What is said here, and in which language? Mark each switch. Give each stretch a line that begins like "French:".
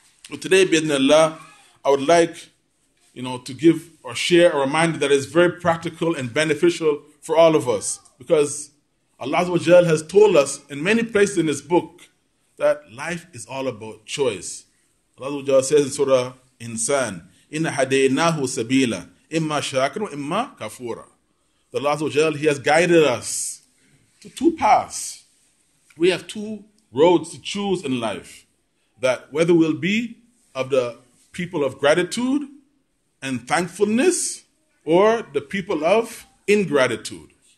English: So today, bi'idhn Allah, I would like, you know, to give or share a reminder that is very practical and beneficial for all of us. Because Allah Azawajal has told us in many places in His book that life is all about choice. Allah Azawajal says in Surah Insan,
Arabic: إِنَّ حَدَيْنَاهُ سَبِيلًا إِمَّا شَاكِرًا إِمَّا كَفُورًا.
English: The Allah Azawajal, He has guided us to two paths. We have two roads to choose in life. That whether we'll be of the people of gratitude and thankfulness or the people of ingratitude.